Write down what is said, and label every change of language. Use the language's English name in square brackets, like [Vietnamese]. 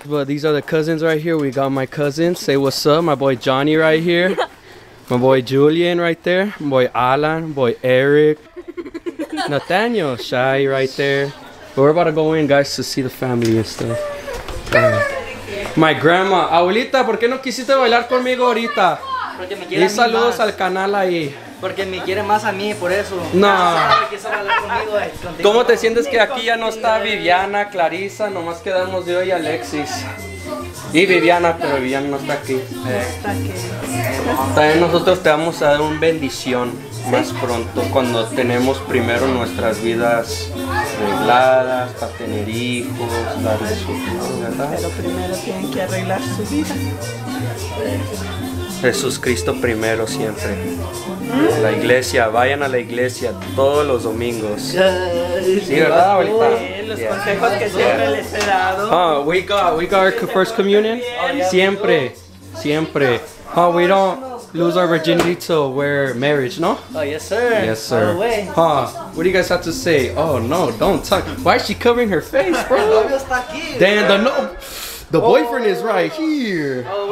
[English] But these are the cousins right here. We got my cousins. Say what's up. My boy Johnny right here. My boy Julian right there. My boy Alan. My boy Eric. Nathaniel Shy right there. But we're about to go in, guys, to see the family and stuff. My grandma. [Spanish] Abuelita, ¿por qué no quisiste bailar conmigo ahorita? Y saludos al canal ahí. Porque me quiere más a mí, por eso. No. ¿Cómo te sientes que aquí ya no está Viviana, Clarisa? Nomás quedamos yo y Alexis. Y Viviana, pero Viviana no está aquí. También nosotros te vamos a dar un bendición más pronto, cuando tenemos primero nuestras vidas arregladas, para tener hijos, darles su vida, ¿verdad? Pero primero tienen que arreglar su vida. Jesús Cristo primero siempre. La iglesia, vayan a la iglesia todos los domingos. Sí, ¿verdad, abuelita? Sí, los consejos que siempre les he dado. [English] We got our first communion. [Spanish] Siempre, siempre. [English] Oh, we don't lose our virginity till we're married, no? Oh, yes, sir. Yes, sir. All the way. Huh, what do you guys have to say? Oh, no, don't talk. Why is she covering her face, bro? Damn, the no. The boyfriend is right here.